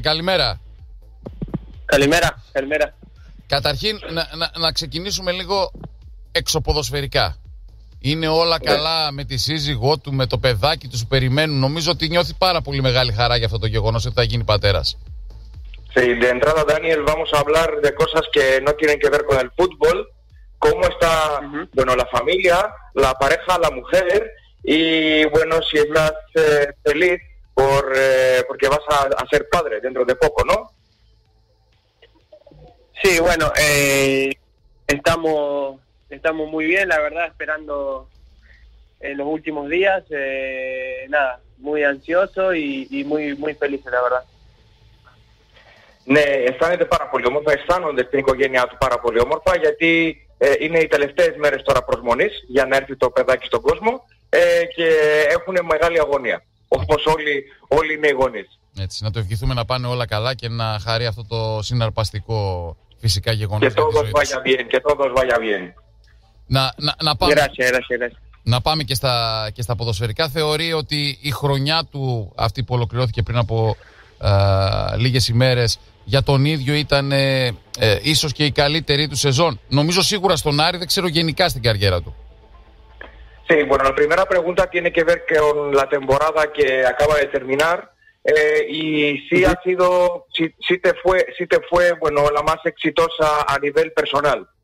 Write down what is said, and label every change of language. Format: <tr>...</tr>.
<el>Καλημέρα. Καλημέρα. Καλημέρα. Καταρχήν, να ξεκινήσουμε λίγο εξωποδοσφαιρικά. Είναι όλα καλά με τη σύζυγό του, με το παιδάκι τους που περιμένουν. Νομίζω ότι νιώθει πάρα πολύ μεγάλη χαρά για αυτό το γεγονός ότι θα γίνει πατέρας.</el> <es>Sí, de entrada, Daniel, vamos a hablar de cosas que no tienen que ver con el fútbol. ¿Cómo está, bueno, la familia, la pareja, la mujer? Y, bueno, si estás feliz porque vas a ser padre dentro de poco, ¿no? Sí, bueno, estamos muy bien, la verdad, esperando en los últimos días. Nada, muy ansioso y muy, muy feliz, la verdad.</es> <el>Ναι, αισθάνεται πάρα πολύ όμορφα, αισθάνονται στην οικογένειά του πάρα πολύ όμορφα, γιατί είναι οι τελευταίες μέρες τώρα προσμονής για να έρθει το παιδάκι στον κόσμο και έχουν μεγάλη αγωνία, όπως όλοι είναι οι γονείς. Έτσι, να το ευχηθούμε να πάνε όλα καλά και να χαρεί αυτό το συναρπαστικό φυσικά γεγονός. Και</el> <es>todos vaya bien, και todos vaya bien.</es> <el>Να πάμε. Να πάμε και στα ποδοσφαιρικά. Θεωρεί ότι η χρονιά του, αυτή που ολοκληρώθηκε πριν από λίγες ημέρες, για τον ίδιο ήταν ίσως και η καλύτερη του σεζόν? Νομίζω σίγουρα στον Άρη, δεν ξέρω γενικά στην καριέρα του.</el> <es>Sí, bueno, la primera pregunta tiene que ver con la temporada que acaba de terminar y si ha sido, si te fue bueno, la más exitosa a nivel personal.</es>